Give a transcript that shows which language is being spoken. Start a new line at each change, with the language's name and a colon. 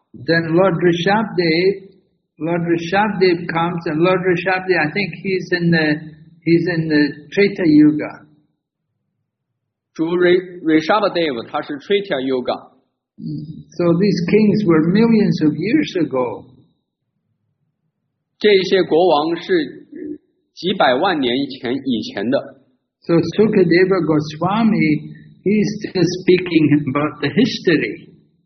English: Then Lord Rishabdev comes, and Lord Rishabdev, I think he's in the Treta Yuga.
Chinese: 主 Rishabdev, 他是 Treta Yuga.
English: So these kings were millions of years ago.
Chinese: 这些国王是几百万年以前的。
English: So Sukadeva Goswami, he's just speaking about the history.